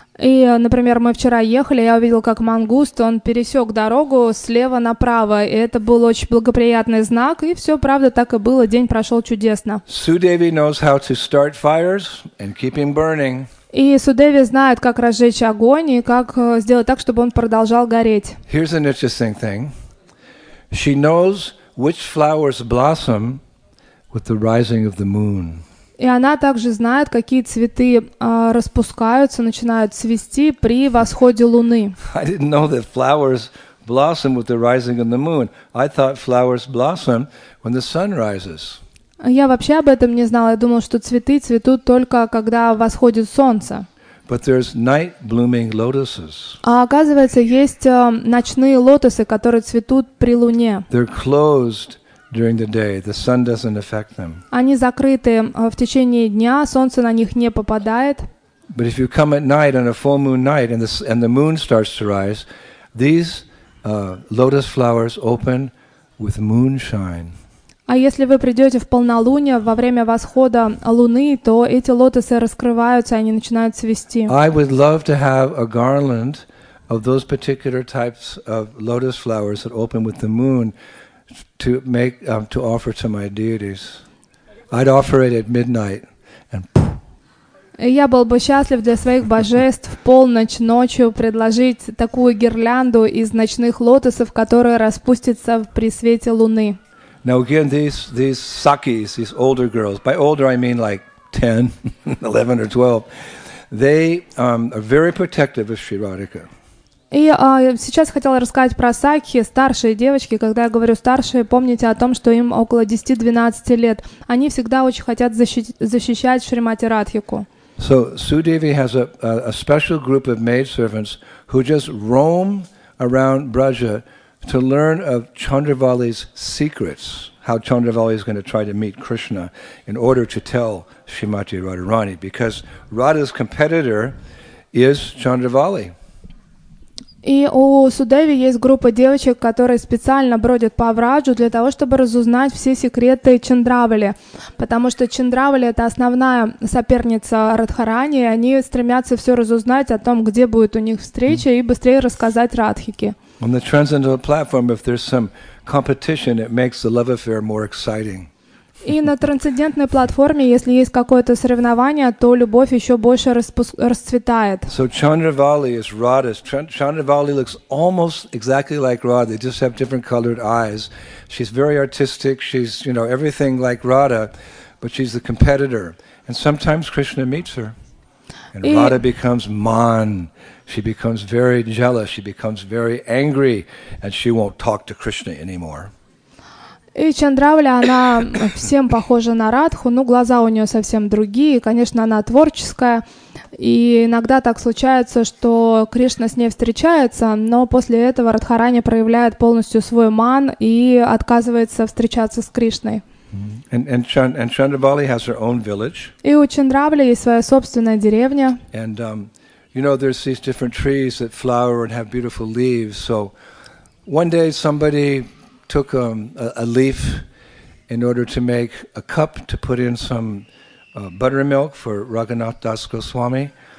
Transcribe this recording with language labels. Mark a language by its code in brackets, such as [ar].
[ru] И, например, мы вчера ехали, я увидел, как мангуст, он пересек дорогу слева направо, и это был очень благоприятный знак, и все, правда, так и было, день прошел чудесно. [en] Судеви knows how to start fires and keep him burning. [ru] И Судеви знает, как разжечь огонь и как сделать так, чтобы он продолжал гореть. [en] Here's an interesting thing. She knows which flowers blossom with the rising of the moon. [ru] И она также знает, какие цветы распускаются, начинают цвести при восходе луны. [en] I didn't know that flowers blossom with the rising of the moon. I thought flowers blossom when the sun rises. [ru] Я вообще об этом не знала. Я думала, что цветы цветут только когда восходит солнце. [en] But there's night blooming lotuses. [ru] А оказывается, есть ночные лотосы, которые цветут при луне. [en] They're closed during the day, the sun doesn't affect them. [ru] Они закрыты в течение дня, солнце на них не попадает. [en] But if you come at night on a full moon night and the moon starts to rise, these lotus flowers open with moonshine. [ru] А если вы придете в полнолуние во время восхода луны, то эти лотосы раскрываются, они начинают цвести. [en] I would love to have a garland of those particular types of lotus flowers that open with the moon. To offer to my deities, I'd offer it at midnight, and. [ru] Я был бы счастлив для своих божеств в полночь ночью предложить такую гирлянду из ночных лотосов, которая распустится при свете луны. [en] Now again, these sakis, these older girls. By older, I mean like 10, 11 or 12. They are very protective of Sri Radhika. [ru] И сейчас хотела рассказать про сакхи, старшие девочки. Когда я говорю старшие, помните о том, что им около 10-12 лет. Они всегда очень хотят защищать Шримати Радхику. [en] So Sudevi has a special group of maidservants who just roam around Braja to learn of Chandravali's secrets, how Chandravali is going to try to meet Krishna in order to tell Srimati Radharani, because Radha's competitor is Chandravali. [ru] И у Судеви есть группа девочек, которые специально бродят по Враджу для того, чтобы разузнать все секреты Чандравали. Потому что Чандравали — это основная соперница Радхарани, и они стремятся все разузнать о том, где будет у них встреча, и быстрее рассказать Радхике. [en] On the transcendental platform, if there's some competition, it makes the love affair more exciting. [ru] И на трансцендентной платформе, если есть какое-то соревнование, то любовь еще больше расцветает. [en] So Chandravali is Radha's. Chandravali looks almost exactly like Radha. They just have different colored eyes. She's very artistic. She's, you know, everything like Radha, but she's the competitor. And sometimes Krishna meets her, and Radha becomes mon. She becomes very jealous. She becomes very angry, and she won't talk to Krishna anymore. [ru] И Чандравали, она всем похожа на Радху, но глаза у нее совсем другие. Конечно, она творческая, и иногда так случается, что Кришна с ней встречается, но после этого Радхарани проявляет полностью свой ман и отказывается встречаться с Кришной. [en] And Chandravali has her own village. [ru] И у Чандравали есть своя собственная деревня. [en] And you know, there's these different trees that flower and have beautiful leaves. So one day somebody took a leaf in order to make a cup to put in some buttermilk for Raghunath Das Goswami.